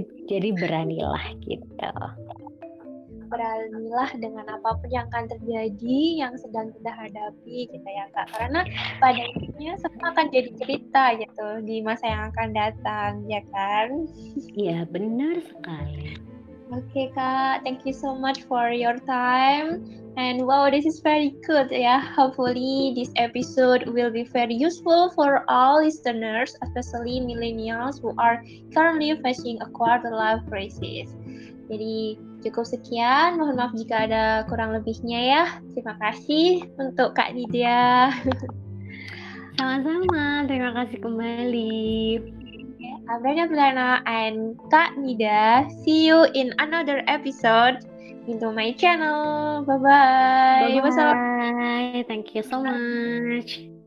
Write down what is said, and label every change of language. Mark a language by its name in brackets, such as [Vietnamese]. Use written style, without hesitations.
[Indonesian] Jadi beranilah gitu. Beranilah dengan apapun yang akan terjadi, yang sedang kita hadapi gitu ya Kak. Karena pada intinya semua akan jadi cerita gitu di masa yang akan datang, ya kan? Iya, benar sekali. [English] Okay, Kak, thank you so much for your time. And wow, this is very good, yeah. Hopefully, this episode will be very useful for all listeners, especially millennials who are currently facing a quarter life crisis. [Indonesian] Jadi, cukup sekian. Mohon maaf jika ada kurang lebihnya, ya. Terima kasih untuk Kak Nidia. Sama-sama, terima kasih kembali. [English] Abrana Belana and Kak Nida, see you in another episode into my channel. Bye-bye. Bye-bye. Thank you so much.